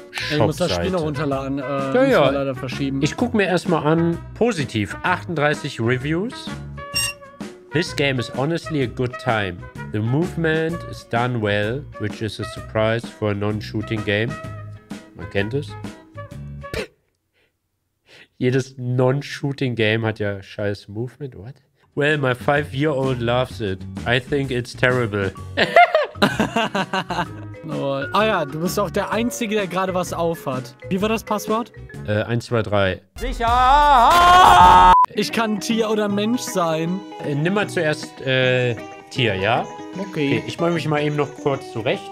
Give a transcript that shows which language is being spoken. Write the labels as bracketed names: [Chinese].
[German] Ich muss das Spiel noch runterladen. Ja. Leider verschieben. Ich gucke mir erstmal an. Positiv. 38 Reviews. [English] This game is honestly a good time. The movement is done well, which is a surprise for a non-shooting game. [German] Man kennt es. Jedes non-shooting game hat ja scheiß Movement. [English] What? Well, my 5-year-old loves it. I think it's terrible. [German] Ah ja, du bist auch der Einzige, der gerade was aufhat. Wie war das Passwort? 1, 2, 3. Sicher! Ich kann Tier oder Mensch sein. Nimm mal zuerst Tier, ja? Okay. Ich mache mich mal eben noch kurz zurecht.